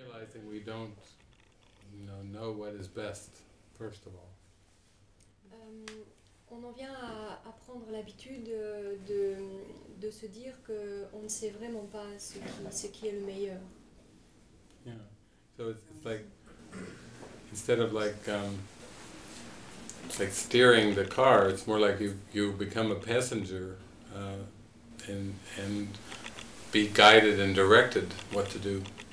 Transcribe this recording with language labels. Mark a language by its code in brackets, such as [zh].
[en] think we don't, you know what is best, first of all. [fr] On en vient à prendre l'habitude de se dire que on ne sait vraiment pas ce qui est le meilleur. [en] Yeah, so it's like instead of like steering the car, it's more like you become a passenger and be guided and directed what to do.